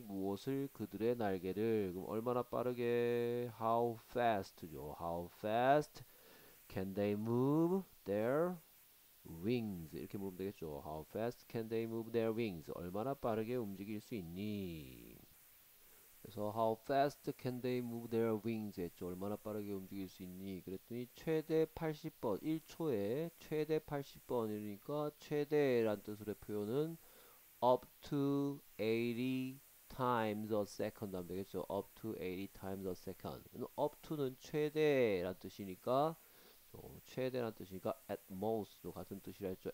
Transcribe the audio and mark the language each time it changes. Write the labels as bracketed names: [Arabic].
[Korean] 무엇을? 그들의 날개를. 그럼 얼마나 빠르게? [English] How fast죠? How fast can they move their wings? 이렇게 물으면 되겠죠? How fast can they move their wings? [Korean] 얼마나 빠르게 움직일 수 있니? 그래서 how fast can they move their wings 했죠. 얼마나 빠르게 움직일 수 있니? 그랬더니 최대 80번, 1초에 최대 80번이니까 최대란 뜻으로 표현은 up to 80 times a second 하면 되겠죠. up to 80 times a second. up to는 최대란 뜻이니까, 최대란 뜻이니까 at most도 같은 뜻이라 했죠.